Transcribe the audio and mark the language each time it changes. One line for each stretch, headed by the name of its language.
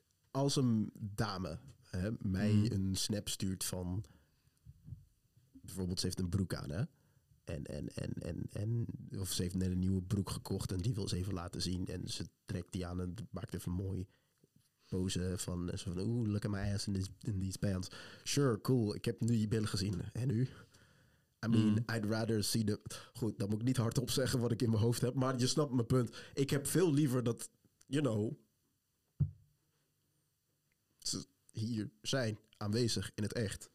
Dutch: Als een dame mij een snap stuurt van... Bijvoorbeeld, ze heeft een broek aan, hè? En of ze heeft net een nieuwe broek gekocht en die wil ze even laten zien. En ze trekt die aan en maakt even mooi pose van... Zo van oeh,
English: look at my ass in these pants. Sure, cool.
Dutch: Ik heb nu je billen gezien. En nu...
English: I mean, I'd rather see the...
Dutch: Goed, dan moet ik niet hardop zeggen wat ik in mijn hoofd heb. Maar je snapt mijn punt. Ik heb veel liever dat,
English: you know...
Dutch: Ze hier zijn aanwezig in het echt.